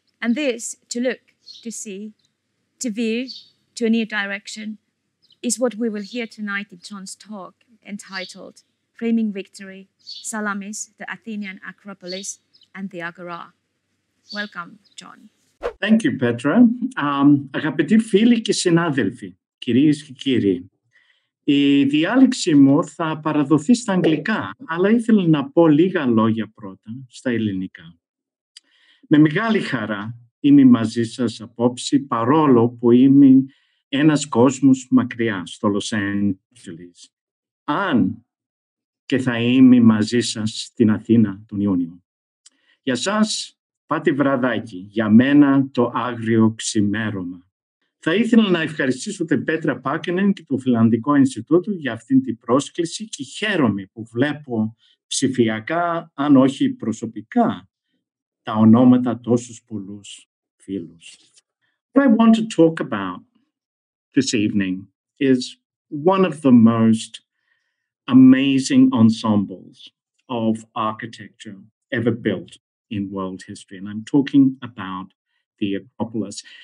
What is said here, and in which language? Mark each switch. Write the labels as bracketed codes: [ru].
[en] And this, to look, to see, to view, to a new direction, is what we will hear tonight in John's talk entitled Framing Victory, Salamis, the Athenian Acropolis, and the Agora. Welcome, John. Thank you, Petra. [el] Αγαπητοί φίλοι και συνάδελφοι, κυρίες και κύριοι, η διάλεξή μου θα παραδοθεί στα αγγλικά, αλλά ήθελα να πω λίγα λόγια πρώτα στα ελληνικά. Με μεγάλη χαρά είμαι μαζί σας απόψη, παρόλο που είμαι ένας κόσμος μακριά, στο Λος Άντζελες, αν και θα είμαι μαζί σας στην Αθήνα τον Ιούνιο. Για σας, πάτε βραδάκι, για μένα το άγριο ξημέρωμα. Θα ήθελα να ευχαριστήσω την Πέτρα Πάκενεν και το Φιλανδικό Ινστιτούτο για αυτήν την πρόσκληση και χαίρομαι που βλέπω ψηφιακά, αν όχι προσωπικά, τα ονόματα τόσους πολλούς φίλους. [en] What I want to talk about this evening is one of the most amazing ensembles of architecture ever built in world history, and I'm talking about the Acropolis.